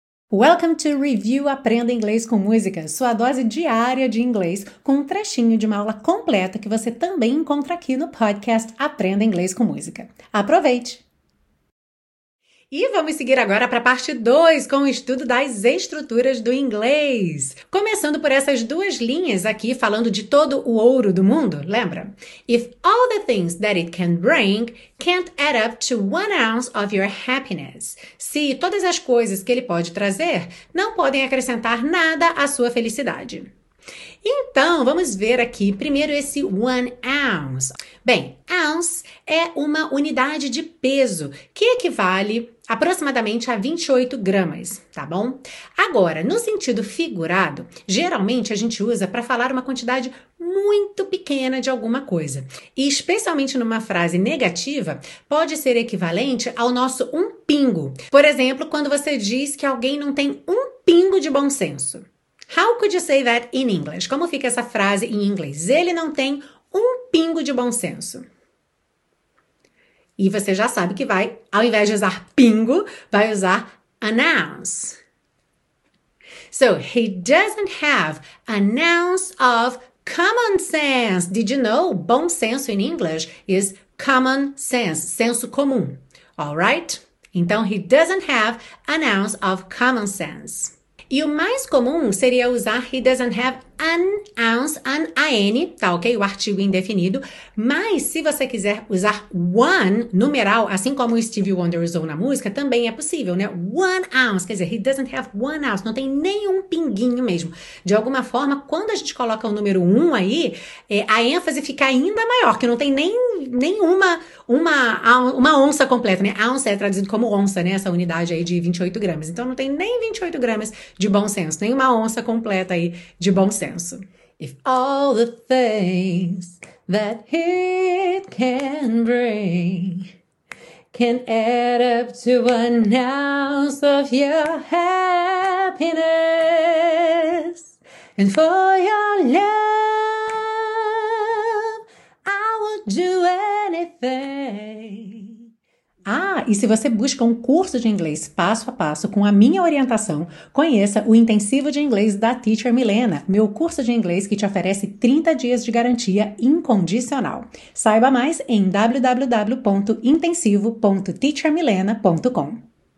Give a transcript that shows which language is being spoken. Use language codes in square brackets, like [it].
[en] Welcome to Review [pt] Aprenda Inglês com Música, sua dose diária de inglês com um trechinho de uma aula completa que você também encontra aqui no podcast Aprenda Inglês com Música. Aproveite! E vamos seguir agora para a parte 2 com o estudo das estruturas do inglês. Começando por essas duas linhas aqui falando de todo o ouro do mundo, lembra? [en] If all the things that it can bring can't add up to 1 ounce of your happiness. [pt] Se todas as coisas que ele pode trazer não podem acrescentar nada à sua felicidade. Então, vamos ver aqui primeiro esse 1 ounce. Bem, ounce é uma unidade de peso que equivale aproximadamente a 28 gramas, tá bom? Agora, no sentido figurado, geralmente a gente usa para falar uma quantidade muito pequena de alguma coisa. E especialmente numa frase negativa, pode ser equivalente ao nosso um pingo. Por exemplo, quando você diz que alguém não tem um pingo de bom senso. [en] How could you say that in English? [pt] Como fica essa frase em inglês? Ele não tem um pingo de bom senso. E você já sabe que vai, ao invés de usar pingo, vai usar an ounce. [en] So, he doesn't have an ounce of common sense. Did you know? [pt] Bom senso [en] in English is common sense, [pt] senso comum. [en] All right? [pt] Então, [en] he doesn't have an ounce of common sense. [pt] E o mais comum seria usar [en] he doesn't have an ounce, [pt] an A-N, tá ok? O artigo indefinido. Mas se você quiser usar one, numeral, assim como o Stevie Wonder usou na música, também é possível, né? 1 ounce, quer dizer, [en] he doesn't have 1 ounce, [pt] não tem nenhum pinguinho mesmo. De alguma forma, quando a gente coloca o número 1 aí, a ênfase fica ainda maior, que não tem nenhuma onça completa, né? Ounce é traduzido como onça, né? Essa unidade aí de 28 gramas. Então não tem nem 28 gramas de bom senso, nem uma onça completa aí de bom senso. [en] If all the things that it can bring can add up to 1 ounce of your happiness and for your love I would do anything. [pt] Ah, e se você busca um curso de inglês passo a passo com a minha orientação, conheça o Intensivo de Inglês da Teacher Milena, meu curso de inglês que te oferece 30 dias de garantia incondicional. Saiba mais em www.intensivo.teachermilena.com.